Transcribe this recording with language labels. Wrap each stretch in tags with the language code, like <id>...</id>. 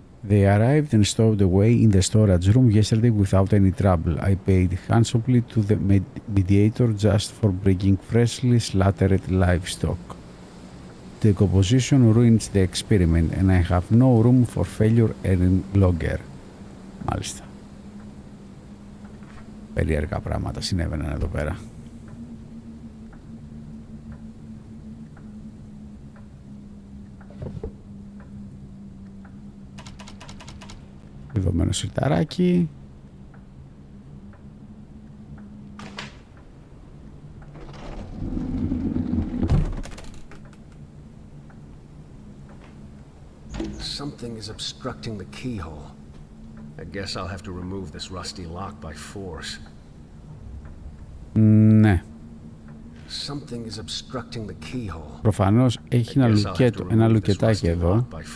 <en>They arrived and stowed away in the storage room yesterday without any trouble. I paid handsomely to the mediator just for bringing freshly slaughtered livestock. Decomposition ruins the experiment and I have no room for failure any longer.</en> <el>Μάλιστα. Περίεργα πράγματα συνέβαιναν εδώ πέρα. Κλειδωμένο σιρταράκι.</el> <en>Something is obstructing the keyhole. I guess I'll have to remove this rusty lock by force.</en> <el>Ναι.</el> <en>Something is obstructing the keyhole.</en> <el>Προφανώς έχει ένα λουκέτο, ένα λουκετάκι εδώ.</el>